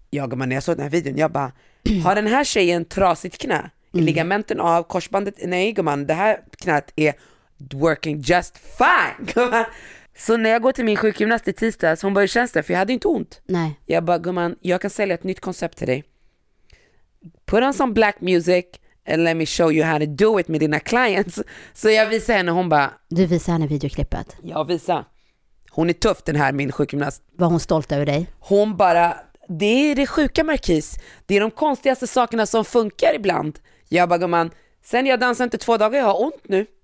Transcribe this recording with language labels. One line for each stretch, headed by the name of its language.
Swedish: Ja, men när jag såg den här videon, jag bara, har den här tjejen trasigt knä? I ligamenten av korsbandet. Nej gumman, det här knät är
English: working just fine
Swedish: gumman. Så när jag går till min sjukgymnast i tisdag, så hon bara, hur känns det? För jag hade inte ont. Nej. Jag bara, gumman, jag kan sälja ett nytt koncept till dig.
English: Put on some black music and let me show you how to do it
Swedish: med dina
English: clients.
Swedish: Så jag visar henne, hon bara, du visar henne videoklippet. Jag visar. Hon är tuff den här, min sjukgymnast. Var hon stolt över dig? Hon bara, det är det sjuka Marquis. Det är de konstigaste sakerna som funkar ibland. Jag bara, gumman, sen jag dansar inte 2 dagar, jag har ont nu.